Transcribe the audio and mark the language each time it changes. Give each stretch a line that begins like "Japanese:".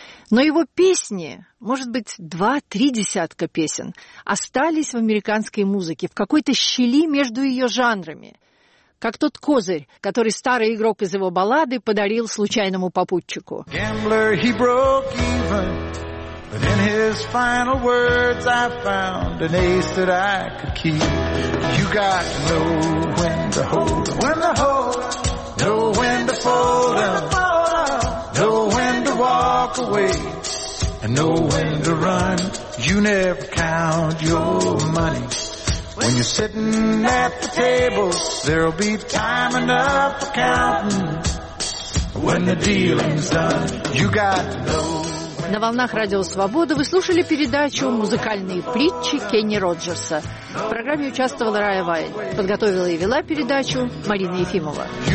Russian: Но его песни, может быть, 2-3 десятка песен, остались в американской музыке, в какой-то щели между ее жанрами. Как тот козырь, который старый игрок из его баллады подарил случайному попутчику.
English: Gambler, he broke even. But in his final words I found an ace that I could keep. You got to know when to hold 'em, when to hold 'em, know when to fold 'em, know when to walk away, and know when to run. You never count your money when you're sitting at the table. There'll be time enough for counting when the dealing's done. You got to know.
Russian: На волнах Радио Свобода вы слушали передачу «Музыкальные притчи» Кенни Роджерса. В программе участвовала Рая Вайн. Подготовила и вела передачу Марина Ефимова.